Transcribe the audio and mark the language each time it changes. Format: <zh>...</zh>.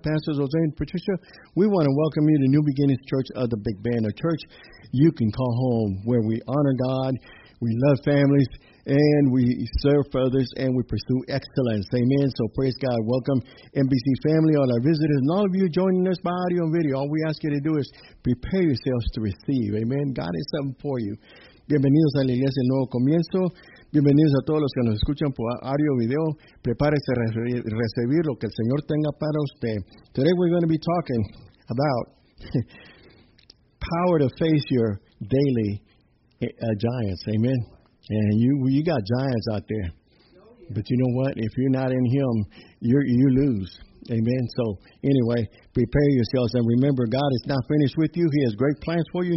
<en>Pastors Jose and Patricia, we want to welcome you to New Beginnings Church of the Big Band, a church you can call home, where we honor God, we love families, and we serve others, and we pursue excellence. Amen. So praise God. Welcome, NBC family, all our visitors, and all of you joining us by audio and video. All we ask you to do is prepare yourselves to receive. Amen. God has something for you.</en> <es>Bienvenidos a la Iglesia Nuevo Comienzo. Bienvenidos a todos los que nos escuchan por audio video. Prepárese a recibir lo que el Señor tenga para usted.</es> <en>Today we're going to be talking about power to face your daily giants. Amen. And you got giants out there. But you know what? If you're not in Him, you lose. Amen. So anyway, prepare yourselves and remember, God is not finished with you. He has great plans for you.</en>